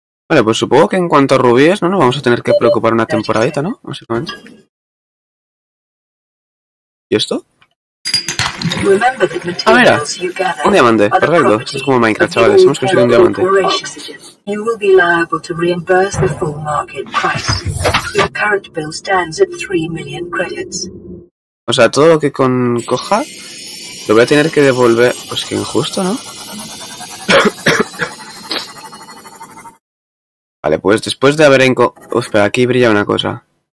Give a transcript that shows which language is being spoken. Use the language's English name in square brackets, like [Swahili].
[Spanish] Vale, pues supongo que en cuanto a rubias, ¿no? Nos vamos a tener que preocupar una temporadita, ¿no? Básicamente. ¿Y esto? ¡Ah, mira! Un diamante, perfecto. Esto es como Minecraft, chavales. Hemos conseguido un diamante. [English] You will be liable to reimburse the full market price. Your current bill stands at 3 million credits. [Spanish] O sea, todo lo que coja lo voy a tener que devolver. Pues que injusto, ¿no? Vale, pues después de haber espera, aquí brilla una cosa.